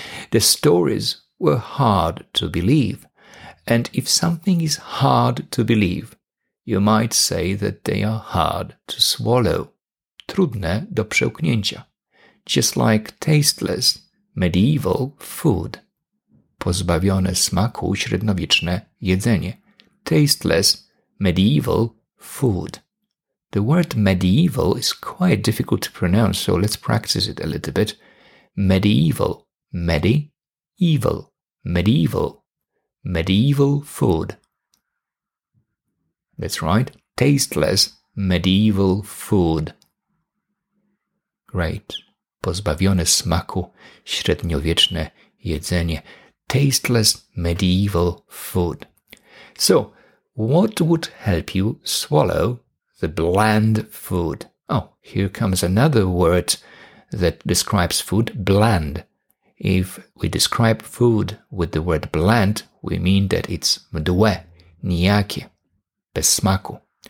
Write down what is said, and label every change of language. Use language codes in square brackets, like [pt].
[en] The stories were hard to believe, and if something is hard to believe, you might say that they are hard to swallow, [pl] trudne do przełknięcia, [en] just like tasteless medieval food. [pl] Pozbawione smaku średniowieczne jedzenie. [en] Tasteless medieval food. The word medieval is quite difficult to pronounce, so let's practice it a little bit. Medieval. Medieval. Medieval. Medieval food. That's right. Tasteless medieval food. Great. [pl] Pozbawione smaku średniowieczne jedzenie. [en] Tasteless medieval food. So, what would help you swallow the bland food? Oh, here comes another word that describes food, bland. If we describe food with the word bland, we mean that it's [pl] mdłe, nijakie, bez smaku.